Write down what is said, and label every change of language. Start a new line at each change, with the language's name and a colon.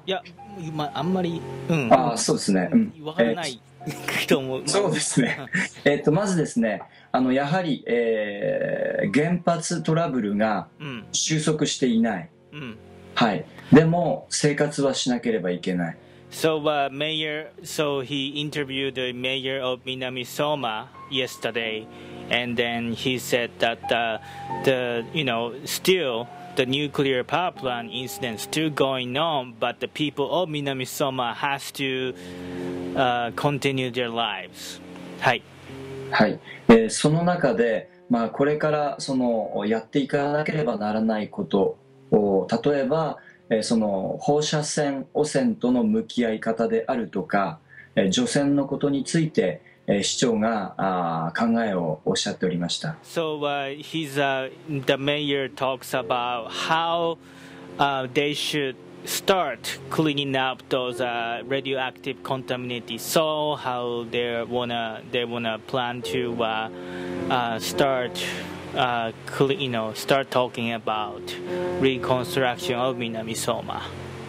Japanese: いや、まあんまり、うん。あ、そうですね。わからない、と思う。そうですね。まずですね、やはり、原発トラブルが収束していない。うん、はい。でも生活はしなければいけない。
English: So, mayor, so he interviewed the mayor of 南相馬 yesterday, and then he said that still the nuclear power plant incident still going on, but the people of 南相馬 has to continue their lives.
Japanese: はい。はい。その中で、まあ、これからそのやっていかなければならないことを、例えば、その放射線汚染との向き合い方であるとか、除染のことについて市長が考えをおっしゃっておりました。
English: So he's the mayor talks about how they should start cleaning up those radioactive contaminated soil, how they wanna plan to startstart talking about reconstruction of 南相馬。